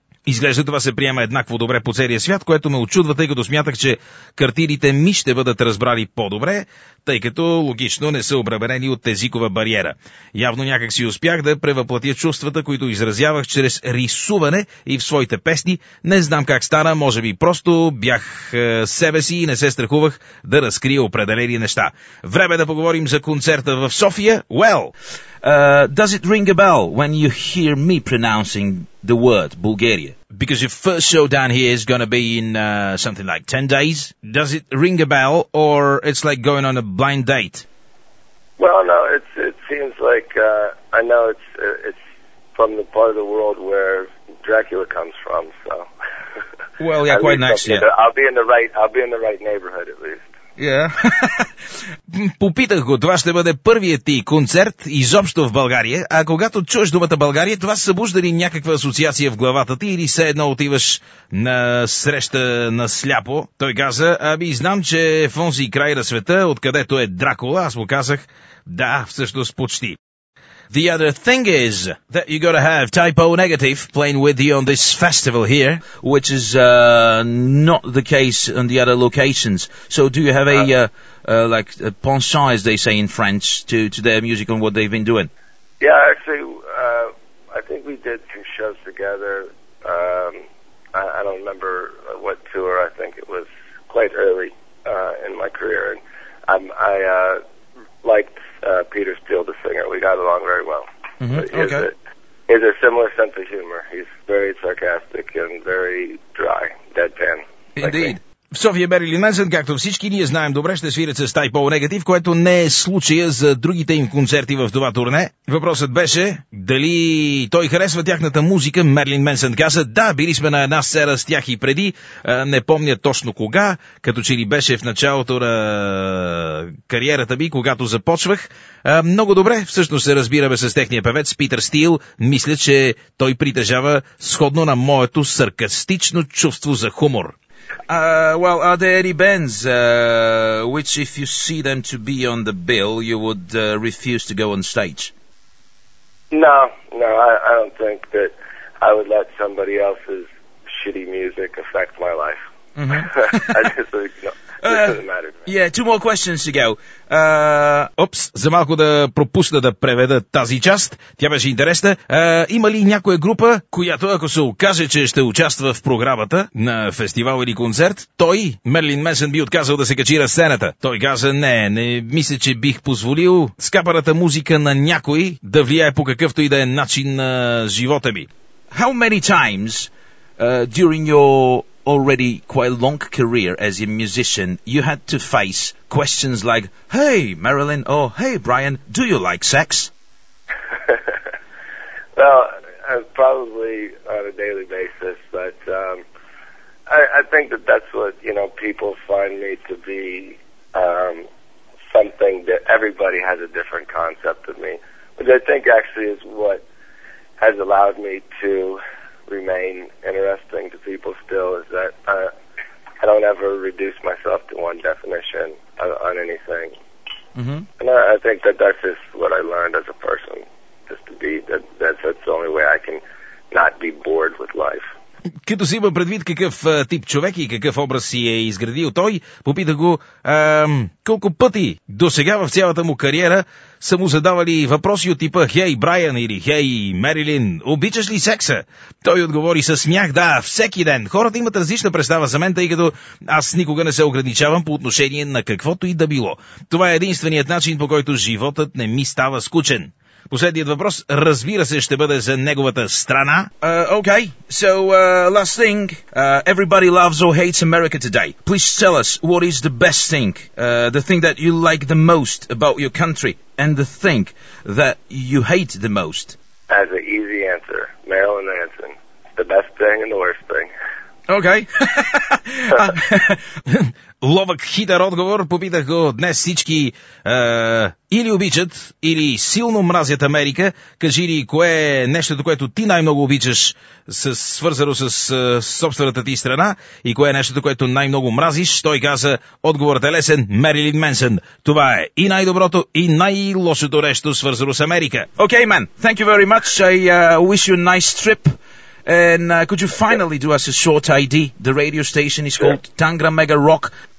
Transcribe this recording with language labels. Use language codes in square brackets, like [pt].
[bg] Изглежда това се приема еднакво добре по целия свят, което ме учудва, тъй като смятах, че картините ми ще бъдат разбрали по-добре, тъй като логично не са обременени от езикова бариера. Явно някак си успях да превъплатя чувствата, които изразявах чрез рисуване и в своите песни. Не знам как стана, може би просто бях себе си и не се страхувах да разкрия определени неща. Време да поговорим за концерта в София. [en] Well, does it ring a bell when you hear me pronouncing the word Bulgaria? Because your first show down here is going to be in something like 10 days. Does it ring a bell, or it's like going on a blind date? Well, no, it seems like, I know it's from the part of the world where Dracula comes from, so. Well, yeah, quite nice, yeah. I'll be in the right neighborhood at least. Yeah. [bg] Попитах го, това ще бъде първият ти концерт изобщо в България, а когато чуеш думата България, това събужда ли някаква асоциация в главата ти или все едно отиваш на среща на сляпо? Той каза, аби знам, че в онзи край на света, откъдето е Дракула, аз му казах, да, всъщност почти. [en] The other thing is that you gotta have Type O Negative playing with you on this festival here, which is not the case on the other locations. So do you have a penchant, as they say in French, to their music and what they've been doing? Yeah, actually, I think we did two shows together. I don't remember what tour. I think it was quite early in my career, and I liked Peter Steele, the singer. We got along very well. Mm-hmm. He has a similar sense of humor. He's very sarcastic and very dry, deadpan. Indeed. Like [bg] в София Мерилин Менсън, както всички ние знаем добре, ще свирят с Type O Negative, което не е случая за другите им концерти в това турне. Въпросът беше дали той харесва тяхната музика. Мерилин Менсън каза, да, били сме на една сцена с тях и преди, не помня точно кога, като че ли беше в началото на кариерата ми, когато започвах. Много добре, всъщност се разбираме с техния певец Питър Стил. Мисля, че той притежава сходно на моето саркастично чувство за хумор. [en] Well, are there any bands which, if you see them to be on the bill, you would refuse to go on stage? No, I don't think that I would let somebody else's shitty music affect my life. Mm-hmm. Yeah, two more questions to go. [bg] Опс, за малко да пропусна да преведа тази част. Тя беше интересна. Има ли някоя група, която ако се окаже, че ще участва в програмата на фестивал или концерт, той, Мерлин Менсън, би отказал да се качи на сцената? Той каза, не мисля, че бих позволил скапаната музика на някой да влияе по какъвто и да е начин на живота ми. [en] How many times during your already quite long career as a musician, you had to face questions like, hey, Marilyn, or hey, Brian, do you like sex? Well, probably on a daily basis, but I think that that's what, you know, people find me to be something that everybody has a different concept of me, which I think actually is what has allowed me to remain interesting to people still, is that I don't ever reduce myself to one definition on anything. Mm-hmm. And I think that that's just what I learned as a person, just to be, that's the only way I can not be bored with life. [bg] Като си има предвид какъв тип човек и какъв образ си е изградил той, попита го колко пъти до сега в цялата му кариера са му задавали въпроси от типа «Хей, Брайан» или «Хей, Мерилин, обичаш ли секса?» Той отговори със смях, да, всеки ден. Хората имат различна представа за мен, тъй като аз никога не се ограничавам по отношение на каквото и да било. Това е единственият начин, по който животът не ми става скучен. Последният въпрос, разбира се, ще бъде за неговата страна. [en] Okay, so last thing. Everybody loves or hates America today. Please tell us, what is the best thing, the thing that you like the most about your country, and the thing that you hate the most? As an easy answer, Marilyn Manson. the best thing and the worst thing. Okay. [bg] Ловък, хитър отговор. Попитах го днес всички или обичат, или силно мразят Америка. Кажи ли, кое е нещото, което ти най-много обичаш, свързано с собствената ти страна, и кое е нещото, което най-много мразиш? Той каза, отговорът е лесен, Мерилин Менсън. Това е и най-доброто, и най-лошото нещо, свързано с Америка. [en] Okay, man. Thank you very much. I wish you a nice trip. And could you finally do us a short ID? The radio station is called Tangra Mega Rock.